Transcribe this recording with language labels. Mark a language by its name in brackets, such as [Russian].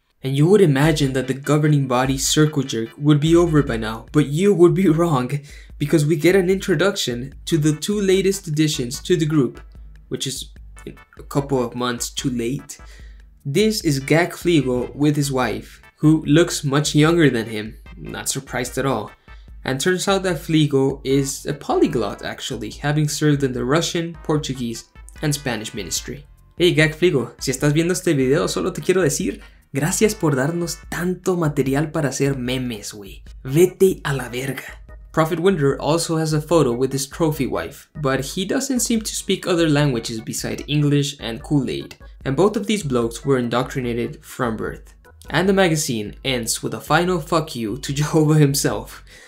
[English] And you would imagine that the governing body circle jerk would be over by now, but you would be wrong, because we get an introduction to the two latest additions to the group, which is a couple of months too late. This is Gak Flegel with his wife, who looks much younger than him, not surprised at all. And turns out that Flegel is a polyglot actually, having served in the Russian, Portuguese, and Spanish ministry. [Spanish] Hey Gak Flegel, si estás viendo este video, solo te quiero decir, gracias por darnos tanto material para hacer memes, güey. Vete a la verga. [English] Prophet Winder also has a photo with his trophy wife, but he doesn't seem to speak other languages besides English and Kool-Aid. And both of these blokes were indoctrinated from birth. And the magazine ends with a final fuck you to Jehovah himself.